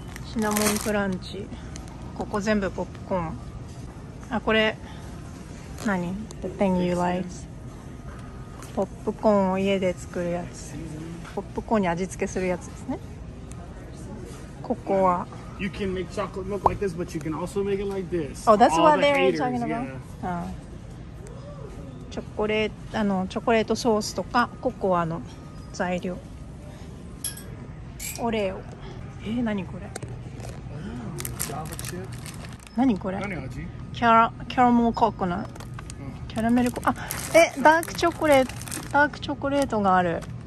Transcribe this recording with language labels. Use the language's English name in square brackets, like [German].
[Japanese] シナモンクランチ。ここ全部ポップコーン。あ、これ。何？ [English] The thing you like. [Japanese] ポップコーンを家で作るやつ、ポップコーンに味付けするやつですね。ココア。 [English] You can make chocolate milk like this, but you can also make it like this. Oh, that's what they're talking about. Yeah. [Japanese] チョコレート、チョコレートソースとかココアの材料。オレオ。何これ？何これ？何味？キャラメルココナッツ。キャラメルコ、あ、え、ダークチョコレート、ダークチョコレートがある。